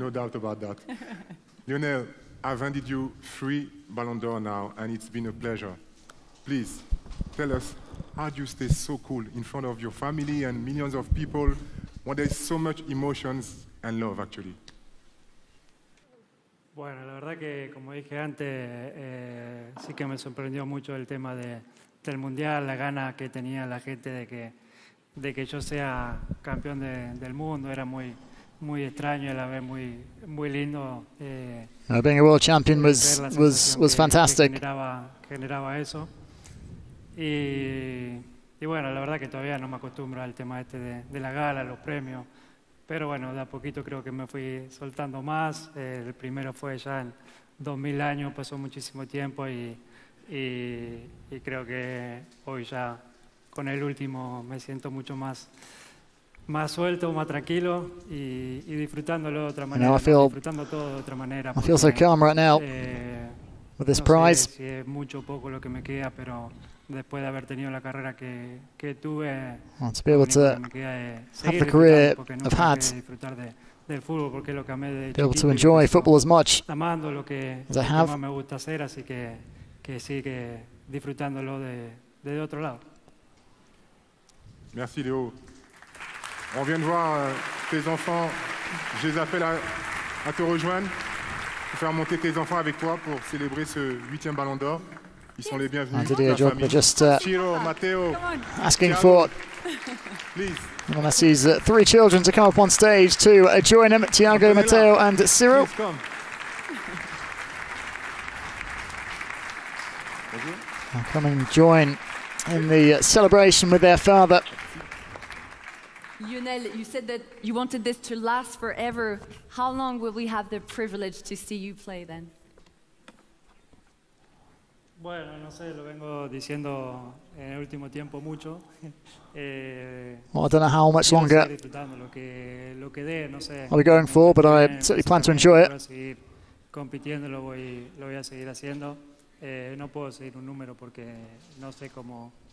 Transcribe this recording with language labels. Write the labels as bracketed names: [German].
[English] No doubt about that. Lionel, I've handed you 3 Ballon d'Or now, and it's been a pleasure. Please, tell us, how do you stay so cool in front of your family and millions of people when there's so much emotions and love, actually? [Spanish] Bueno, la verdad que, como dije antes, sí que me sorprendió mucho el tema del Mundial, la gana que tenía la gente de que yo sea campeón del mundo. Era muy muy extraño y a la vez muy muy lindo. [English] Being a world champion was fantastic. [Spanish] Generaba eso y bueno, la verdad que todavía no me acostumbro al tema este de la gala, los premios, pero bueno, de a poquito creo que me fui soltando más. El primero fue ya en 2000 años, pasó muchísimo tiempo y creo que hoy ya con el último me siento mucho más suelto, más tranquilo y disfrutándolo de otra manera. [English] You know, feel, [Spanish] disfrutando todo de otra manera. [English] I feel so calm right now with this prize. [Spanish] Sé si es mucho o poco lo que me queda, pero después de haber tenido la carrera que tuve, [English] well, to be able to have the career I've had, [Spanish] del fútbol porque lo que amé de [English] be able to enjoy football as much [Spanish] amando lo que [English] as I have. [Spanish] Me gusta hacer, así que sigue disfrutándolo de otro lado. [French] Merci Léo. On vient de voir tes enfants. Je les appelle à te rejoindre pour faire monter tes enfants avec toi pour célébrer ce 8e Ballon d'Or. Ils sont les bienvenus. [English] Did a joke, just Ciro, Matteo, asking Thiago. For please. Messi's three children to come up on stage to join him, Thiago, Matteo and Ciro. Please come. And come and join in the celebration with their father. Lionel, you said that you wanted this to last forever. How long will we have the privilege to see you play then? [Spanish] Bueno, no sé, lo vengo diciendo en el último tiempo mucho. [English] Well, I don't know how much longer I'll be going for, but I certainly plan to enjoy it. [Spanish] Compitiendo lo voy a seguir haciendo. No puedo seguir un número porque no sé cómo.